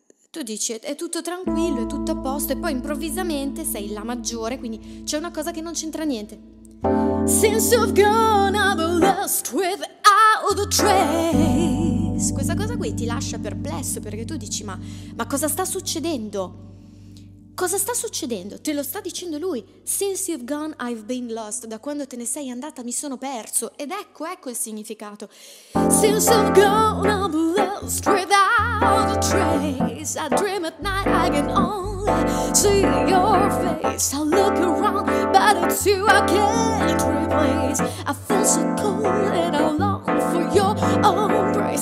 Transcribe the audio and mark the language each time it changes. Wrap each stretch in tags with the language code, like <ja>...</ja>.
<it>Tu dici, è tutto tranquillo, è tutto a posto, e poi improvvisamente sei in La maggiore, quindi c'è una cosa che non c'entra niente.</it> <en>Since you've gone, I've lost without a trace.</en> <it>Questa cosa qui ti lascia perplesso, perché tu dici, ma cosa sta succedendo? Cosa sta succedendo? Te lo sta dicendo lui.</it> <en>Since you've gone, I've been lost.</en> <it>Da quando te ne sei andata, mi sono perso. Ed ecco il significato.</it> <en>Since you've gone, I've lost without a trace. I dream at night, I can only see your face. I look around, but it's you I can't replace. I feel so cold and I long for your embrace.</en>